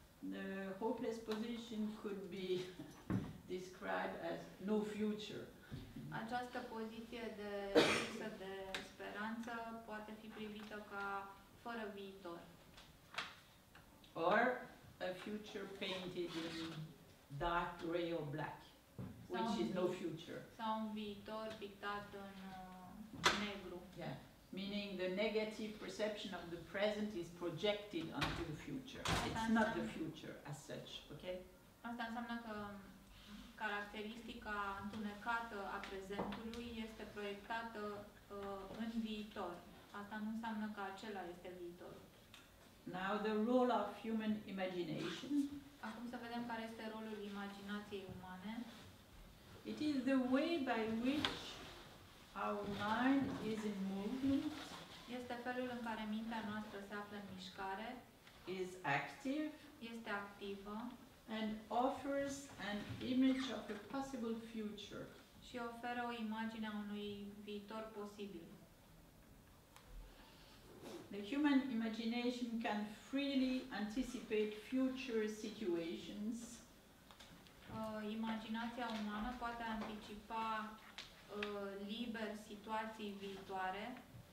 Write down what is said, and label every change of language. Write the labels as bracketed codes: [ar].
[en] The hopeless position could be described as no future. [ro] Această poziție de lipsă de speranță poate fi privită ca fără viitor. [en] Or a future painted in dark gray or black, [ro] sau [en] which [ro] un, [en] is no future. [ro] Sau un viitor pictat în negru. [en] Yeah. Meaning the negative perception of the present is projected onto the future. It's not the future as such, okay? [ro] Asta înseamnă că caracteristica întunecată a prezentului este proiectată în viitor. Asta nu înseamnă că acela este viitorul. [en] Now the role of human imagination. [ro] Acum să vedem care este rolul imaginației umane. [en] It is the way by which our mind is in movement. [ro] Este felul în care mintea noastră se află în mișcare. [en] Is active. [ro] Este activă. [en] And offers an image of a possible future. [ro] Și oferă o imagine a unui viitor posibil. [en] The human imagination can freely anticipate future situations. [ro] Imaginația umană poate anticipa liber situații viitoare.